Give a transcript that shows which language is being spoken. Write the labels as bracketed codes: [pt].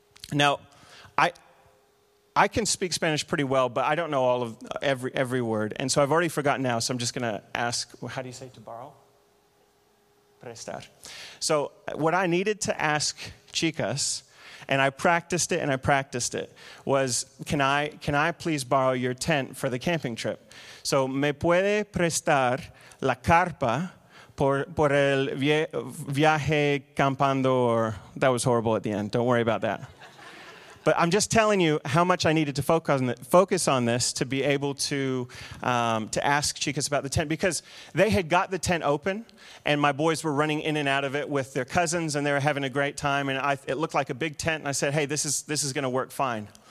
[en] Now, I can speak Spanish pretty well, but I don't know all of every word. And so I've already forgotten now, so I'm just going to ask, how do you say to borrow? Prestar. So what I needed to ask chicas, and I practiced it and I practiced it, was, can I please borrow your tent for the camping trip? [es] So, ¿me puede prestar la carpa por el viaje campando? [en] Or, that was horrible at the end. Don't worry about that. But I'm just telling you how much I needed to focus on this to be able to ask chicas about the tent, because they had got the tent open and my boys were running in and out of it with their cousins and they were having a great time, and it looked like a big tent, and I said, hey, this is going to work fine.